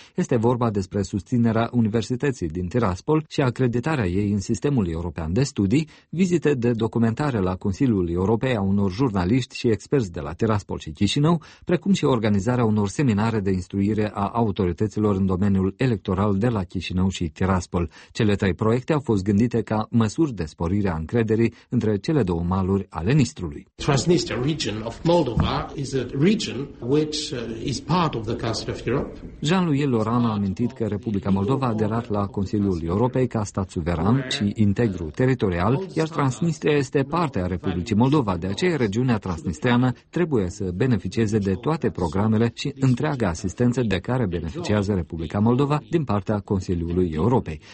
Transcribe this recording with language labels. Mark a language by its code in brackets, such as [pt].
[ro] Este vorba despre susținerea Universității din Tiraspol și a acreditarea ei în sistemul european de studii, vizite de documentare la Consiliul Europei a unor jurnaliști și experți de la Tiraspol și Chișinău, precum și organizarea unor seminare de instruire a autorităților în domeniul electoral de la Chișinău și Tiraspol. Cele 3 proiecte au fost gândite ca măsuri de sporire a încrederii între cele 2 maluri ale Nistrului. [en] Transnistria region of Moldova is a region which is part of the Council of Europe. [ro] Jean-Louis Laurens a amintit că Republica Moldova a aderat la Consiliul Europei ca stat suveran și integru teritorial, iar Transnistria este parte a Republicii Moldova, de aceea regiunea transnistreană trebuie să beneficieze de toate programele și întreaga asistență de care beneficiază Republica Moldova din partea Consiliului Europei.